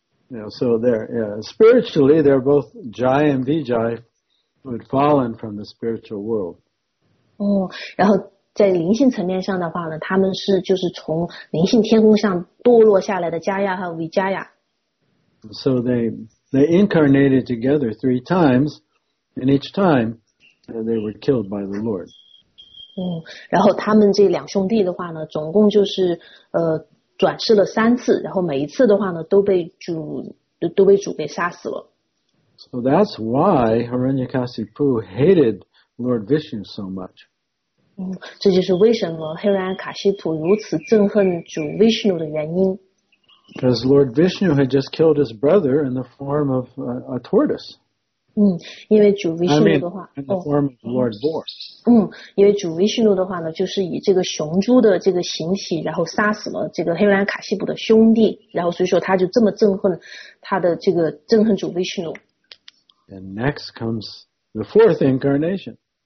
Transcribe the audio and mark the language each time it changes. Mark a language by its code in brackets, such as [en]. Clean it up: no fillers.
[en] Yeah, so they're, spiritually, they're both Jai and Vijay, who had fallen from the spiritual world. [zh] 然后在灵性层面上的话呢，他们是就是从灵性天空上堕落下来的加亚和维加亚。 [en] So they incarnated together three times, and each time they were killed by the Lord. [zh] 然后他们这两兄弟的话呢，总共就是转世了三次，然后每一次的话呢，都被主给杀死了。 [en] So that's why Hiranyakasipu hated Lord Vishnu so much. [zh] 这就是为什么 Hiranyakasipu 如此憎恨主 Vishnu 的原因。 [en] Because Lord Vishnu had just killed his brother in the form of a tortoise. [zh] 因为主 Vishnu 的话 [en] in the form of Lord Boar. [zh] 因为主 Vishnu 的话呢，就是以这个雄猪的这个形体，然后杀死了这个黑兰卡西普的兄弟，然后所以说他就这么憎恨他的这个憎恨主 Vishnu. [en] And next comes the fourth incarnation.